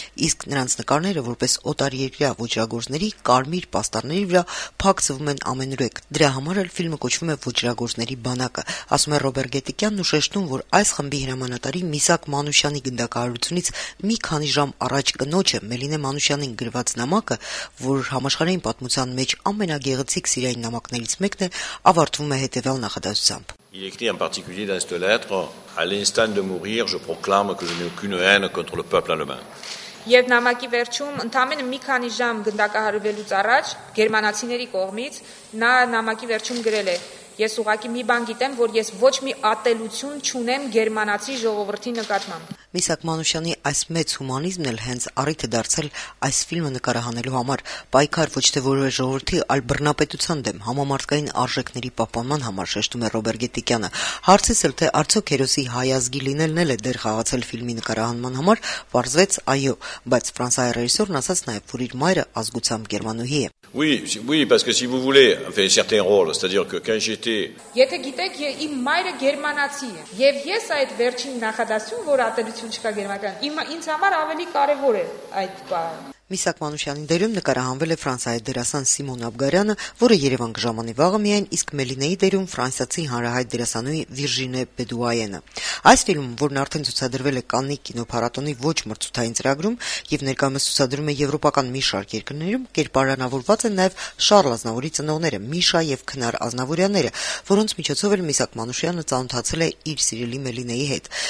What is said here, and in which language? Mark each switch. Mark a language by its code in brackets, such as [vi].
[hy] իսկ նրանց նկարները որպես օտարերկրյա ոչրագործների կարմիր պաստառների վրա փակցվում են ամենուրեք։ Դրա համար էլ ֆիլմը կոչվում է «Ոչրագործների բանակը», ասում է Ռոբեր Գետիկյանն ու շեշտում, որ այս խմբի հրամանատարի Միսակ Մանուշյանի գնդակահարությունից մի քանի ժամ առաջ կնոջը Մելինե Մանուշյանին գրված նամակը, որ համաշխարհային պատմության մեջ ամենագեղեցիկ սիրային նամակներից մեկն է, ավարտվում է հետևյալ նախադասությամբ. [fr] Il écrit en particulier dans cette lettre: À l'instant de mourir, je proclame que je n'ai aucune haine contre le peuple allemand. [hy] Եվ նամակի վերջում, ընդամենը մի քանի ժամ գնդակահարվելուց առաջ, գերմանացիների կողմից նա նամակի վերջում գրել է. Ես ուղղակի մի բան գիտեմ, որ ես ոչ մի ատելություն չունեմ գերմանացի ժողովրդի նկատմամբ։ Միսակ Մանուշյանի այս մեծ հումանիզմն էլ հենց առիթ է դարձել այս ֆիլմը նկարահանելու համար, պայքար ոչ թե որևէ ժողովրդի, այլ բռնապետության դեմ, համամարտկային արժեքների պահպանման համար, շեշտում է Ռոբեր Գետիկյանը։ Հարցիս էլ, թե արդյոք հերոսի հայազգի լինելն էլ է դեր խաղացել ֆիլմի նկարահանման համար, պարզվեց այո, բայց ֆրանսահայ ռեժիսորն ասաց նաև, որ իր մայրը ազգությամբ գերմանուհի է։ [fr] Oui, parce que si vous voulez, on fait un certain rôle, c'est-à-dire que quand j'étais... [hy] Եթե գիտեք, իմ մայրը գերմանացի է, եւ ես այդ վերջին նախադասյուն, որ ատելություն չկա գերմանական, ինձ համար ավելի կարևոր է այդ բանը։ Միսակ Մանուշյանի դերում նկարահանվել է ֆրանսայի դերասան Սիմոն Աբգարյանը, որը Երևան կժամանի վաղը միայն, իսկ Մելինեի դերում ֆրանսացի հանրահայտ դերասանուհի Վիրժինե Բեդուայենը։ Այս ֆիլմը, որն արդեն ցուցադրվել է Կաննի կինոփառատոնի ոչ մրցութային ծրագրում և ներկայումս ցուցադրվում է եվրոպական մի շարք երկրներում, կերպարանավորված են նաև Շառլ Ազնավուրի ծնողները՝ Միշա և Քնար Ազնավուրյանները, որոնց միջոցով էլ Միսակ Մանուշյանը ծանոթացել է իր սիրելի Մելինեի հետ։